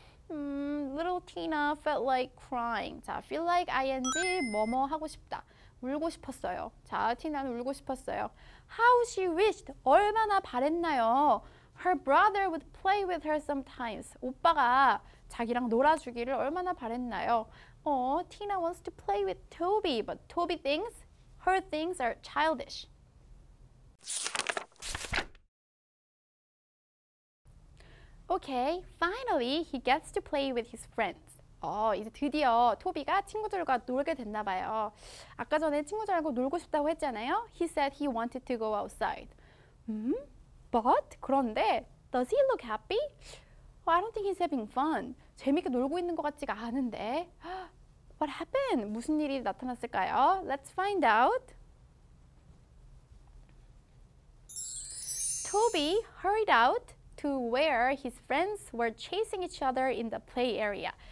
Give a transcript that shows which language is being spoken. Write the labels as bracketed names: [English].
[English] Little Tina felt like crying. 자, feel like ing, [Korean] 뭐뭐 하고 싶다. 울고 싶었어요. 자, 티나는 울고 싶었어요. [English] How she wished, [Korean] 얼마나 바랬나요? [English] Her brother would play with her sometimes. [Korean] 오빠가 자기랑 놀아주기를 얼마나 바랬나요? [English] Oh, Tina wants to play with Toby, but Toby thinks her things are childish. 오케이, finally he gets to play with his friends. [Korean] 이제 드디어 토비가 친구들과 놀게 됐나 봐요. 아까 전에 친구들하고 놀고 싶다고 했잖아요. [English] He said he wanted to go outside. But? [Korean] 그런데 [English] does he look happy? Oh, I don't think he's having fun. [Korean] 재밌게 놀고 있는 것 같지가 않은데. [English] What happened? [Korean] 무슨 일이 나타났을까요? [English] Let's find out. Toby hurried out to where his friends were chasing each other in the play area.